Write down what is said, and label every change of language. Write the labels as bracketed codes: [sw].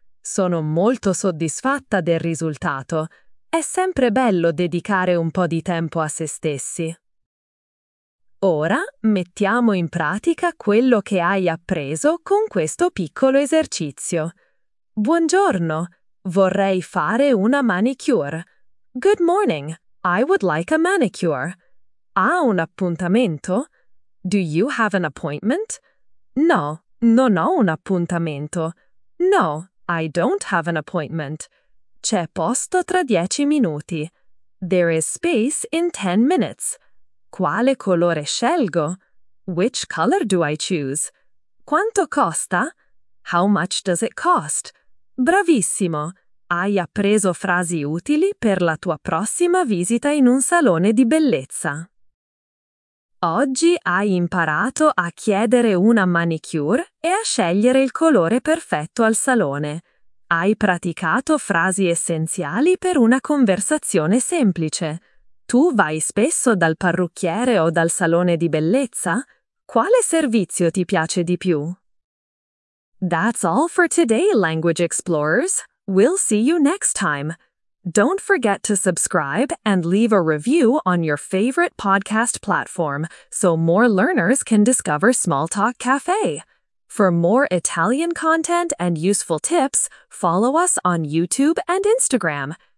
[it] Sono molto soddisfatta del risultato. È sempre bello dedicare un po' di tempo a se stessi. Ora mettiamo in pratica quello che hai appreso con questo piccolo esercizio. Buongiorno, vorrei fare una manicure. [en] Good morning, I would like a manicure. [it] Ha un appuntamento? [en] Do you have an appointment? [it] No, non ho un appuntamento. [en] No, I don't have an appointment. [it] C'è posto tra 10 minuti. [en] There is space in 10 minutes. [it] Quale colore scelgo? [en] Which color do I choose? [it] Quanto costa? [en] How much does it cost? [it] Bravissimo! Hai appreso frasi utili per la tua prossima visita in un salone di bellezza. Oggi hai imparato a chiedere una manicure e a scegliere il colore perfetto al salone. Hai praticato frasi essenziali per una conversazione semplice. Tu vai spesso dal parrucchiere o dal salone di bellezza? Quale servizio ti piace di più? [en] That's all for today, Language Explorers. We'll see you next time. Don't forget to subscribe and leave a review on your favorite podcast platform so more learners can discover Smalltalk Cafe. For more Italian content and useful tips, follow us on YouTube and Instagram.